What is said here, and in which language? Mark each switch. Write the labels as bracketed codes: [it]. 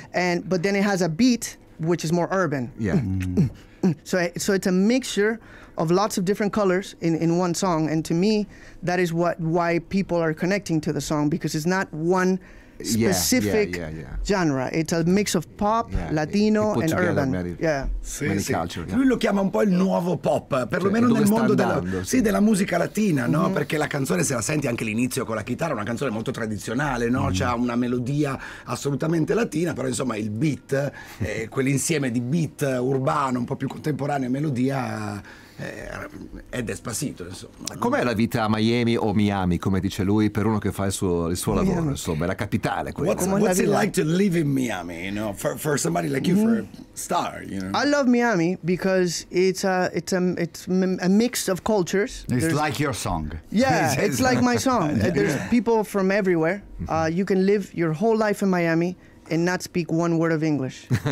[en] And but then it has a beat which is more urban. Yeah. So it's a mixture of lots of different colors in one song, and to me that is why people are connecting to the song, because it's not one specific genre, it's a mix of pop, latino and urban. [it] Lui lo chiama un po' il nuovo pop, perlomeno nel mondo della musica latina, no? Perché la canzone, se la senti anche l'inizio con la chitarra, è una canzone molto tradizionale, no? C'ha una melodia assolutamente latina, però insomma il beat, quell'insieme di beat urbano, un po' più contemporaneo, melodia... è Despacito, insomma. Com'è la vita a Miami o Miami, come dice lui, per uno che fa il suo lavoro, insomma, è la capitale quella. [en] What's it like to live in Miami, you know, for somebody like you, for a star, you know? I love Miami because it's a mix of cultures. It's like your song. Yeah, it's like my song. There's people from everywhere. You can live your whole life in Miami and not speak one word of English.